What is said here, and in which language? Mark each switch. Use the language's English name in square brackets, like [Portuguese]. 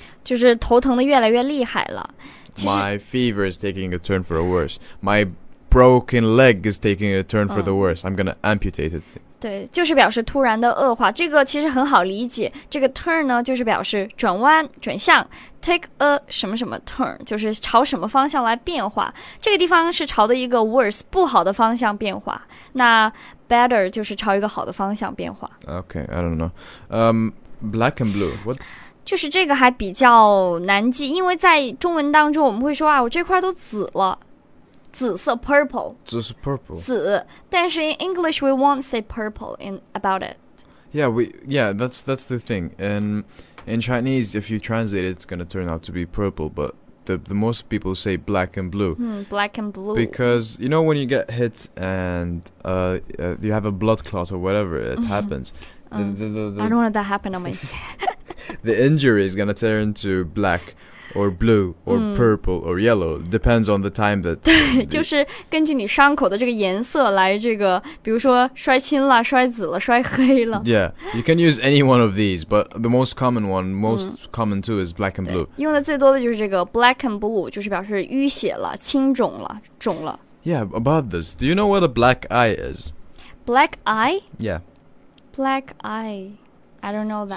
[Chinese] 就是头疼的越来越厉害了。 [English] My fever is taking a turn for the worse. My broken leg is taking a turn for the worse. I'm going to amputate it. [Chinese] 对，就是表示突然的恶化。这个其实很好理解。这个 turn 呢，就是表示转弯、转向。 Take a 什么什么 turn， 就是朝什么方向来变化。这个地方是朝的一个 worse， 不好的方向变化。那 better 就是朝一个好的方向变化。 [English] Okay, I don't know. Black and blue. What? [Chinese] 就是这个还比较难记，因为在中文当中我们会说啊，我这块都紫了。紫色 purple，紫是 purple，紫。 [English] 但是 in English we won't say purple in about it. Yeah, that's the thing. In Chinese, if you translate it, it's gonna turn out to be purple. But the most people say black and blue. Black and blue. Because you know when you get hit and you have a blood clot or whatever it happens, I don't want that to happen on my skin. The injury is going to turn into black or blue or purple or yellow. Depends on the time that... [Chinese] 对，就是根据你伤口的这个颜色来这个，比如说摔青了、摔紫了、摔黑了。 [English] Yeah, you can use any one of these, but the most common one, most common too, is black and blue. [Chinese] 用的最多的就是这个 black and blue, 就是表示淤血了、青肿了、肿了。 [English] Yeah, about this, do you know what a black eye is? Black eye? Yeah. Black eye. I don't know that.